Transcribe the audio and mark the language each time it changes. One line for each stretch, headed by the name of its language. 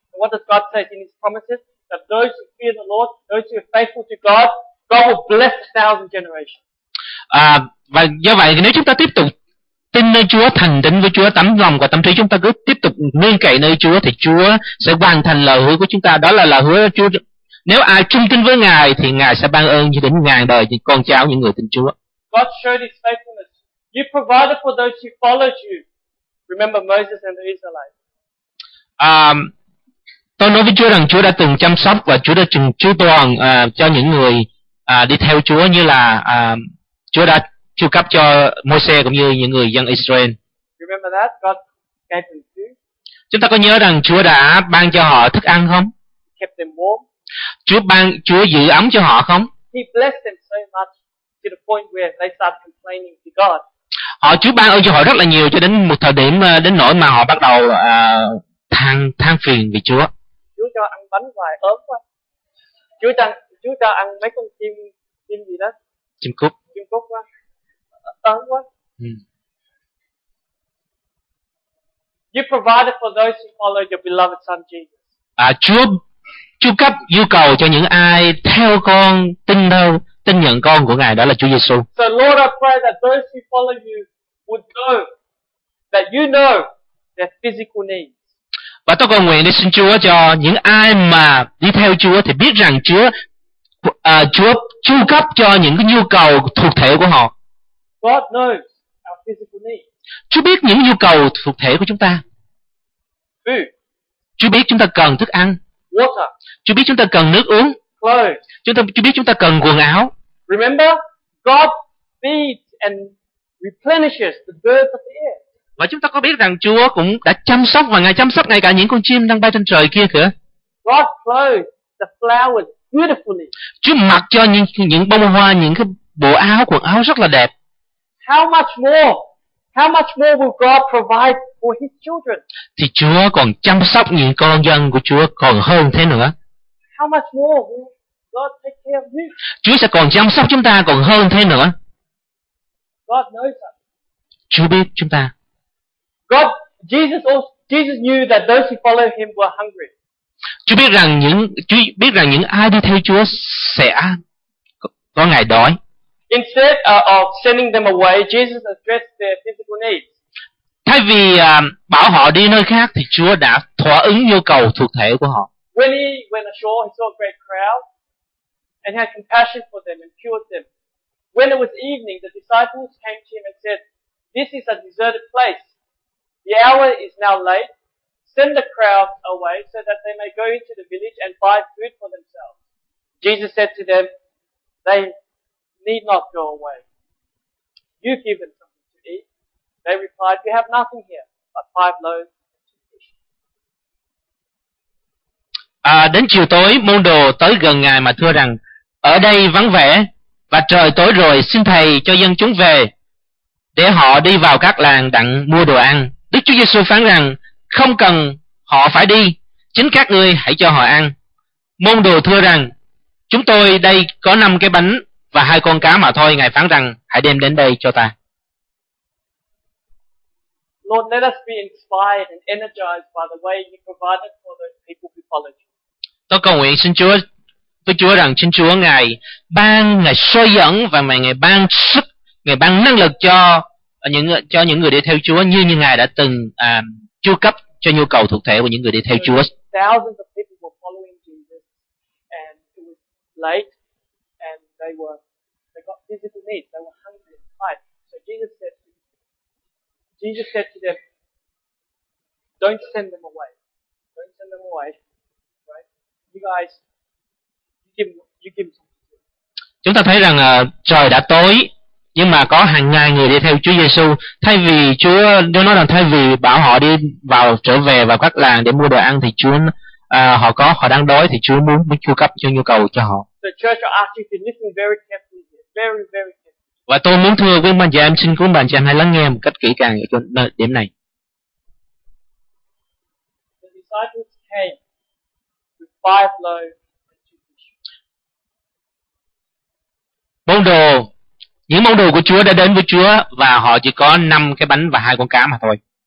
English: And what does God say in His promises? That those who fear the Lord, those who are faithful to God, God will bless a thousand generations.
Vietnamese: Và do vậy nếu chúng ta tiếp tục tin nơi Chúa, thành tín với Chúa, tấm lòng và tâm trí chúng ta cứ tiếp tục nương cậy nơi Chúa thì Chúa sẽ hoàn thành lời hứa của chúng ta. Đó là lời hứa của Chúa. Nếu ai trung tín với Ngài thì Ngài sẽ ban ơn cho đến ngàn đời những con cháu, những người tin Chúa.
English: God showed His faithfulness. You provided for those who followed you. Remember Moses and the Israelites.
Vietnamese: Tôi nói với Chúa rằng Chúa đã từng chăm sóc và Chúa đã từng chu toàn cho những người đi theo Chúa, như là Chúa đã chu cấp cho Môi-se cũng như những người dân Israel.
English: Remember that? God gave them food.
Vietnamese: Chúng ta có nhớ rằng Chúa đã ban cho họ thức ăn không?
English: He kept them warm.
Vietnamese: Chúa giữ ấm cho họ không?
English: He blessed them so much to the point where they start complaining to God.
Vietnamese: Chúa ban ơn cho họ rất là nhiều cho đến một thời điểm đến nỗi mà họ bắt đầu than phiền vì Chúa. Chúa cho ăn bánh hoài ớn quá. Chúa cho ăn mấy con chim gì đó? Chim cút. Chim cút quá.
English: You provided for those who follow your beloved son Jesus.
Vietnamese: Chúa cấp yêu cầu cho những ai theo con, tin nhận con của Ngài, đó là Chúa Giêsu.
English: So Lord, I pray that those who follow you would know that you know their physical needs.
Vietnamese: Và tôi cầu nguyện để xin Chúa cho những ai mà đi theo Chúa thì biết rằng Chúa chu cấp cho những cái nhu cầu thuộc thể của họ.
English: God knows our physical needs.
Vietnamese: Chúa biết những nhu cầu thuộc thể của chúng ta.
English: Food.
Vietnamese: Chúa biết chúng ta cần thức ăn.
English: Water.
Vietnamese: Chúa biết chúng ta cần nước uống.
English: Clothes.
Vietnamese: Chúa biết chúng ta cần quần áo.
English: Remember, God feeds and replenishes the birds of the air.
Vietnamese: Và chúng ta có biết rằng Chúa cũng đã chăm sóc và Ngài chăm sóc ngay cả những con chim đang bay trên trời kia kìa.
English: God clothes the flowers beautifully.
Vietnamese: Chúa mặc cho những bông hoa, những cái bộ áo, quần áo rất là đẹp.
English: How much more will God provide for His children?
Vietnamese: Thì Chúa còn chăm sóc những con dân của Chúa còn hơn thế nữa.
English: How much more will God take care of you?
Vietnamese: Chúa sẽ còn chăm sóc chúng ta còn hơn thế nữa.
English: God knows us.
Vietnamese: Chúa biết chúng ta.
English: God, Jesus knew that those who follow him were hungry.
Vietnamese: Chúa biết rằng những ai đi theo Chúa sẽ có ngày đói.
English: Instead of sending them away, Jesus addressed their physical needs.
Vietnamese: Thay vì bảo họ đi nơi khác thì Chúa đã thỏa ứng nhu cầu thuộc thể của họ.
English: When he went ashore, he saw a great crowd and had compassion for them and cured them. When it was evening, the disciples came to him and said, "This is a deserted place. The hour is now late. Send the crowd away so that they may go into the village and buy food for themselves." Jesus said to them, "They need not go away. You give them something to eat." They replied, "We have nothing here but 5 loaves and 2 fish."
Vietnamese: Đến chiều tối, môn đồ tới gần ngài mà thưa rằng, "Ở đây vắng vẻ và trời tối rồi, xin thầy cho dân chúng về để họ đi vào các làng đặng mua đồ ăn." Đức Chúa Giêsu phán rằng, "Không cần họ phải đi, chính các ngươi hãy cho họ ăn." Môn đồ thưa rằng, "Chúng tôi đây có 5 cái bánh và 2 con cá mà thôi." Ngài phán rằng, "Hãy đem đến đây cho ta."
English: Lord, let us be inspired and energized by the way you provided for those people who followed you.
Vietnamese: Tôi cầu nguyện xin Chúa, với Chúa rằng xin Chúa Ngài ban, Ngài soi dẫn và Ngài ban sức, Ngài ban năng lực cho những người đi theo Chúa như Ngài đã từng chu cấp cho nhu cầu thuộc thể của những người đi theo Chúa.
English: Thousands of people were following Jesus and it was late and they got physical needs. They were hungry and tired. So Jesus said to them, "Don't send them away. Don't send them away. Right? You guys, you give them."
Vietnamese: Chúng ta thấy rằng trời đã tối, nhưng mà có hàng ngàn người đi theo Chúa Giêsu. Thay vì Chúa nói rằng thay vì bảo họ đi vào trở về vào các làng để mua đồ ăn thì Chúa họ đang đói thì Chúa muốn chu cấp cho nhu cầu cho họ.
English: The church asks you to listen very carefully, very very carefully.
Vietnamese: Và tôi muốn thưa với bạn chị em, xin cuốn bạn chị em hãy lắng nghe một cách kỹ càng ở chỗ điểm này.
English: The disciples came with 5 loaves and 2 fish.
Vietnamese: Môn đồ, những môn đồ của Chúa đã đến với Chúa và họ chỉ có 5 cái bánh và 2 con cá mà thôi.